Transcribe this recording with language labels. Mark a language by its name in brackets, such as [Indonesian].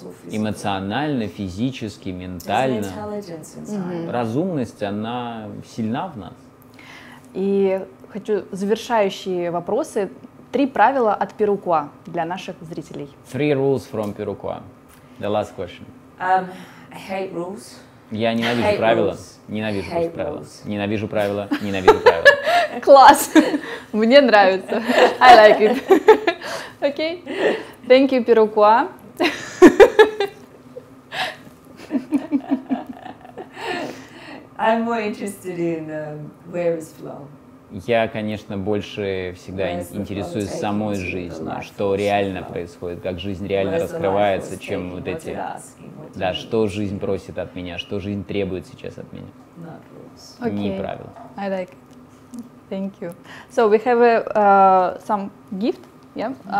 [Russian] Эмоционально, физически, ментально. Разумность, она сильна в нас. И хочу завершающие вопросы. Три правила от Пирукуа для наших зрителей. [English] Three rules from Pirukuo. The last question. I hate rules. [Russian] Я ненавижу правила. Ненавижу правила. Ненавижу правила. Ненавижу правила. Класс. Мне нравится. [English] I like it. Okay. Thank you, Pirukuo. I'm more interested in where is flow. [Russian] Я, конечно, больше всегда интересуюсь самой жизнью, что реально происходит, как жизнь реально раскрывается, чем вот эти... Да, что жизнь просит от меня, что жизнь требует сейчас от меня. [English] Okay. [Russian] Не правило. [English] I like it. Thank you. So, we have some gift. Yeah?